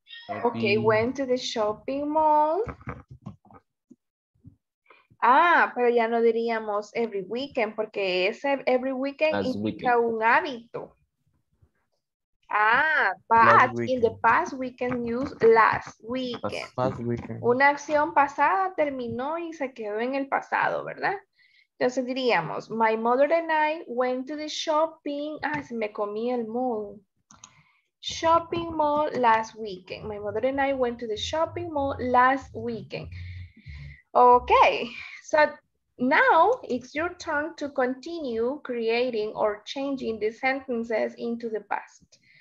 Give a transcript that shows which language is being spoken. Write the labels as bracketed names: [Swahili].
[English] Okay, went to the shopping mall. [Spanish] Ah, pero ya no diríamos [English] every weekend, [Spanish] porque ese every weekend last implica weekend. Un hábito. [English] Ah, but in the past we can use last weekend. Past weekend. [Spanish] Una acción pasada terminó y se quedó en el pasado, ¿verdad? Entonces diríamos, [English] my mother and I went to the shopping. [Spanish] Ah, se me comí el mall. [English] Shopping mall last weekend. My mother and I went to the shopping mall last weekend. Okay, so now it's your turn to continue creating or changing the sentences into the past.